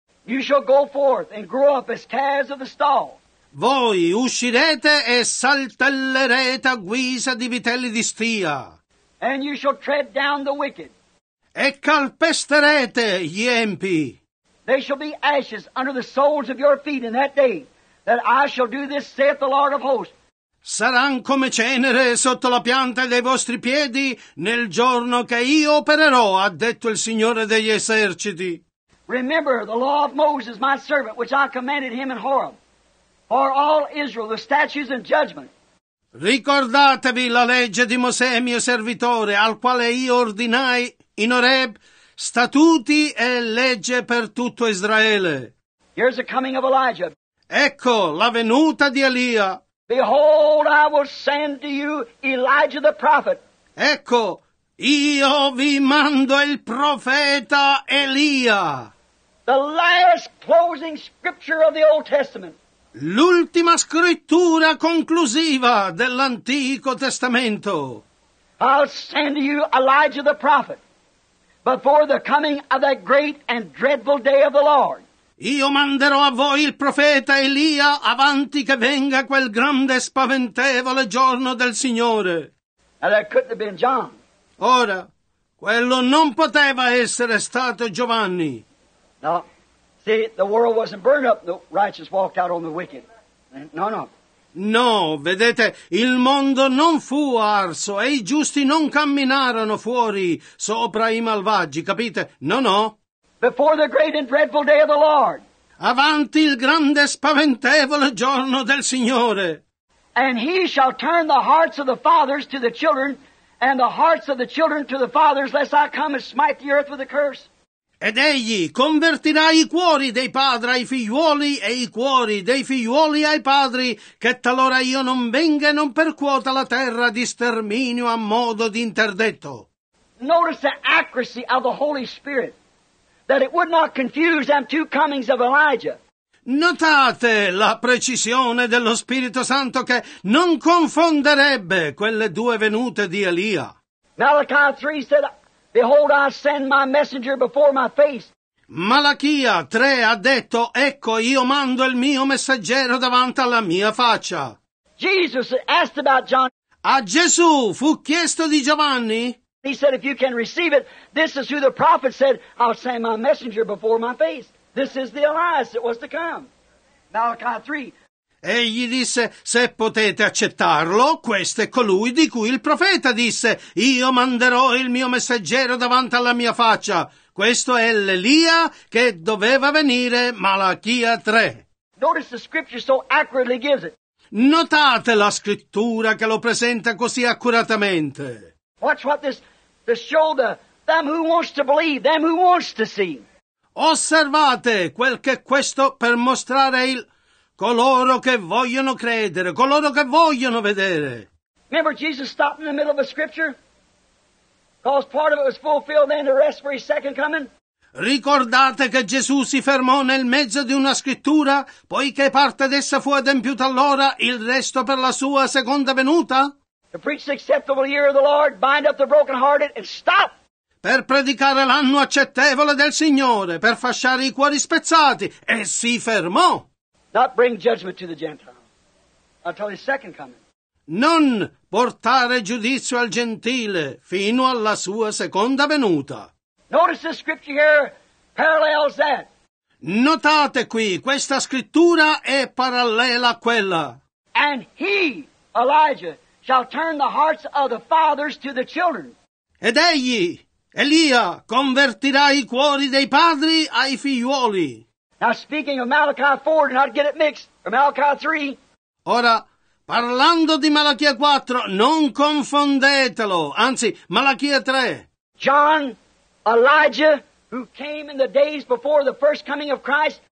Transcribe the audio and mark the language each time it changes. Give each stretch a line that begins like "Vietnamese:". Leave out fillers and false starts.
English: You shall go forth and grow up as calves of the stall.
Italian: Voi uscirete e saltellerete a guisa di vitelli di stia.
English: And you shall tread down the wicked.
Italian: E calpesterete gli empi.
English: They shall be ashes under the soles of your feet in that day that I shall do this, saith the Lord of hosts.
Italian: Saranno come cenere sotto la pianta dei vostri piedi nel giorno che io opererò, ha detto il Signore degli eserciti.
English: Remember the law of Moses, my servant, which I commanded him in Horeb, for all Israel, the statutes and judgments.
Italian: Ricordatevi la legge di Mosè, mio servitore, al quale io ordinai in Horeb statuti e legge per tutto Israele.
English: Here's the coming of Elijah.
Italian: Ecco la venuta di Elia.
English: Behold, I will send to you Elijah the prophet.
Italian: Ecco, io vi mando il profeta Elia.
English: The last closing scripture of the Old Testament.
Italian: L'ultima scrittura conclusiva dell'Antico Testamento.
English: I'll send you Elijah the prophet before the coming of that great and dreadful day of the Lord.
Italian: Io manderò a voi il profeta Elia avanti che venga quel grande e spaventevole giorno del Signore.
English: Now that couldn't have been John.
Italian: Ora, quello non poteva essere stato Giovanni.
English: No. See, the world wasn't burned up, the righteous walked out on the wicked. No, no.
Italian: No, vedete, il mondo non fu arso e i giusti non camminarono fuori sopra i malvagi, capite?
English: No, no. Before the great and dreadful day of the Lord.
Italian: Avanti il grande e spaventevole giorno del Signore.
English: And he shall turn the hearts of the fathers to the children, and the hearts of the children to the fathers, lest I come and smite the earth with a curse.
Italian: Ed egli convertirà i cuori dei padri ai figliuoli e i cuori dei figliuoli ai padri, che talora io non venga e non percuota la terra di sterminio a modo di interdetto.
English: Notice the accuracy of the Holy Spirit, that it would not confuse them two comings of Elijah.
Italian: Notate la precisione dello Spirito Santo che non confonderebbe quelle due venute di Elia.
English: Malachi 3 said, behold, I send my messenger before my face.
Italian: Malachia 3 ha detto, ecco, io mando il mio messaggero davanti alla mia faccia.
English: Jesus asked about John.
Italian: A Gesù fu chiesto di Giovanni.
English: He said, if you can receive it, this is who the prophet said, I'll send my messenger before my face. This is the Elias that was to come. Malachi 3.
Italian: Egli disse, se potete accettarlo, questo è colui di cui il profeta disse, io manderò il mio messaggero davanti alla mia faccia. Questo è l'Elia che doveva venire, Malachia 3.
English: Notice the scripture so accurately gives it.
Italian: Notate la scrittura che lo presenta così accuratamente.
English: Watch what this, the shoulder, them who wants to believe, them who wants to see.
Italian: Osservate quel che questo per mostrare il... coloro che vogliono credere, coloro che vogliono vedere.
English: Remember Jesus stopped in the middle of a scripture? Because part of it was fulfilled then the rest for his second coming?
Italian: Ricordate che Gesù si fermò nel mezzo di una scrittura, poiché parte d'essa fu adempiuta allora, il resto per la sua seconda venuta?
English: To preach the acceptable year of the Lord, bind up the brokenhearted, and stop!
Italian: Per predicare l'anno accettevole del Signore, per fasciare i cuori spezzati, e si fermò!
English: Not bring judgment to the Gentiles until his second coming.
Italian: Non portare giudizio al gentile fino alla sua seconda venuta.
English: Notice this scripture here parallels that.
Italian: Notate qui, questa scrittura è parallela a quella.
English: And he, Elijah, shall turn the hearts of the fathers to the children.
Italian: Ed egli, Elia, convertirà i cuori dei padri ai figliuoli.
English: Now speaking of Malachi 4, do not get it mixed, or Malachi 3.
Italian: Ora, parlando di Malachia 4, non confondetelo, anzi, Malachia 3.
English: John, Elijah, who came in the days before the first coming of Christ.